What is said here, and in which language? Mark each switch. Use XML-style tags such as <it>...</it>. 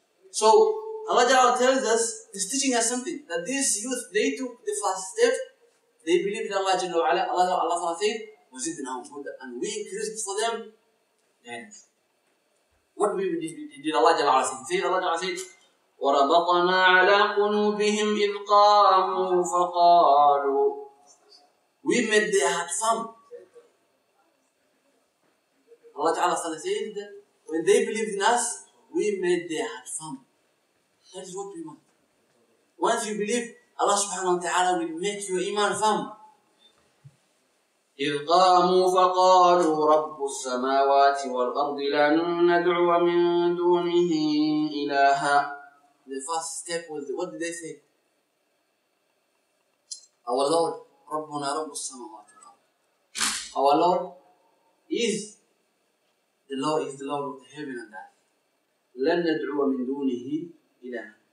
<en>So Allah Jalla tells us, he's teaching us something, that these youth, they took the first step, they believed in Allah Jalla wa'ala, Allah Jalla wa'ala said, was it in our food, and we increased for them, then. What did Allah Jalla wa'ala say? Allah Jalla said,</en> <ar>وربطنا على قلوبهم إذ قاموا فقالوا</ar> <en>We made their heart firm. Allah Ta'ala said, when they believed in us, we made their heart firm. That is what we want. Once you believe, Allah Subhanahu wa Ta'ala will make your iman firm.</en> <ar>إذ قاموا فقالوا رب السماوات والأرض لن ندعو من دونه إلها.</ar> <en>The first step was, what did they say? Our Lord,</en> <ar>Rabbuna Rabbus Samawati wal Ard.</ar> <en>Our Lord is the Lord of the heaven and earth.</en> <ar>لَن نَدْعُوَ مِن دُونِهِ إِلَهًا.</ar>